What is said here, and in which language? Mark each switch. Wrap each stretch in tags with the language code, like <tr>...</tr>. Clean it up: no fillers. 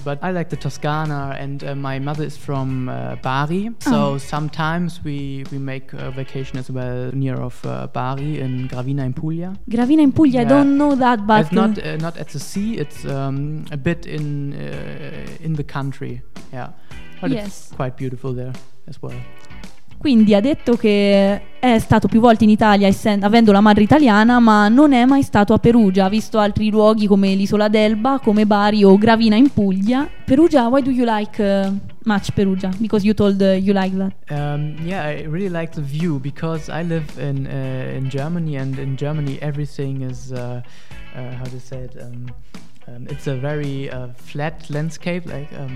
<en>But I like the Toscana, and my mother is from Bari, so sometimes we make a vacation as well near of Bari in Gravina in Puglia. Gravina in Puglia, yeah. I don't know that, but it's not at the sea. It's a bit in the country, yeah, but yes. It's quite beautiful there as well.</en> <it>Quindi ha detto che è stato più volte in Italia avendo la madre italiana, ma non è mai stato a Perugia. Ha visto altri luoghi come l'Isola d'Elba, come Bari o Gravina in Puglia.</it> <en>Perugia, why do you like much Perugia? Because you told you like that. I really like the view because I live in Germany, and in Germany everything is it's a very flat landscape, like</en>